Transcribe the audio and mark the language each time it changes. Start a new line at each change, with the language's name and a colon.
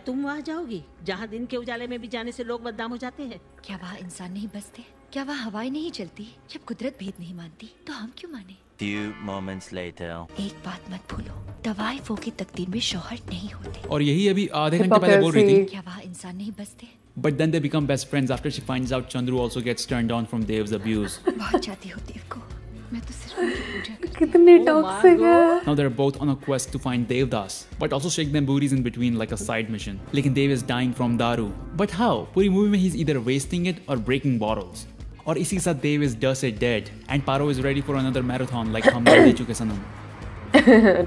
Hindi: तुम वहाँ जाओगी जहाँ दिन के उजाले में भी जाने से लोग बदनाम हो जाते हैं। क्या वहाँ इंसान नहीं बसते? क्या वहाँ हवाएं नहीं चलती? जब कुदरत भेद नहीं मानती तो हम क्यों माने?
English: Few moments later.
Hindi: एक बात मत भूलो, तवायफों की तकदीर में शौहर नहीं होते। और यही अभी आधे घंटे पहले बोल रही थी। क्या वहाँ इंसान नहीं बसते?
English: But then they become best friends after she finds out Chandru also gets turned on from Dev's abuse.
Hindi: बहुत चाहती हूँ देव को, मैं तो सिर्फ उनकी पूजा करती। कितनी टॉक्सिक है।
English: Now they're both on a quest to find Devdas, but also shake them booties in between like a side mission. लेकिन Dev is dying from daru. But how?
Hindi: पूरी मूवी में
English: he's either wasting it or breaking bottles.
Hindi: और इसी के साथ
English: Dev is does it dead and Paro is ready for another marathon like Hum De Chuke Sanam.